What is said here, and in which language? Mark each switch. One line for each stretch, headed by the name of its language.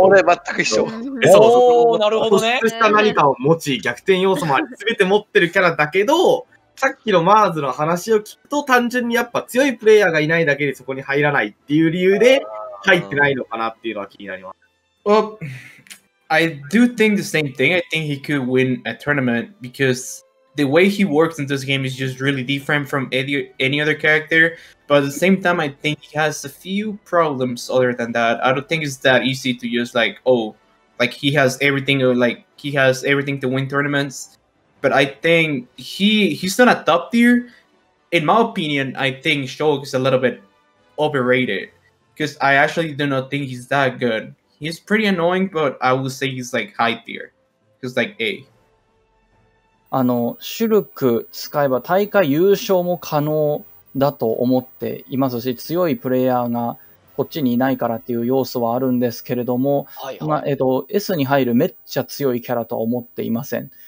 Japanese: 。 俺全く一緒。なるほどね。突出した何かを持ち、逆転要素もあり、全て持ってるキャラだけど、さっきのマーズの話を聞くと、単純にやっぱ強いプレイヤーがいないだけでそこに入らないっていう理由で入ってないのかなっていうのは気になります。
English: I do think the same thing. I think he could win a tournament because the way he works in this game is just really different from any other character. But at the same time, I think he has a few problems other than that. I don't think it's that easy to just like, oh, like he has everything, or like he has everything to win tournamentsBut I think he's not a top tier. In my opinion, I think Shulk is a little bit overrated because I actually do not think he's that good. He's pretty annoying, but I would say he's like high tier. He's like A.
Japanese: あの、シュルク使えば大会優勝も可能だと思っていますし、強いプレイヤーがこっちにいないからっていう要素はあるんですけれども、はいはい、まあ、S に入るめっちゃ強いキャラとは思っていません。